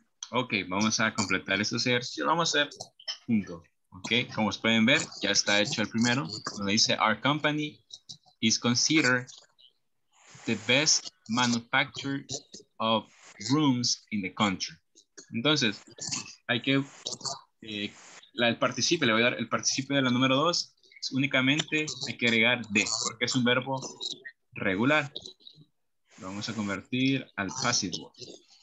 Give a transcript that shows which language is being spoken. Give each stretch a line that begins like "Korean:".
Spanish: Ok, vamos a completar este ejercicio. Lo vamos a hacer juntos. Ok, como pueden ver, ya está hecho el primero. Donde dice,
English: our company is considered the best manufacturer of rooms in the country.
Spanish: Entonces, hay que... el participio, le voy a dar el participio de la número dos. Es únicamente hay que agregar de, porque es un verbo regular. Lo vamos a convertir al passive voice.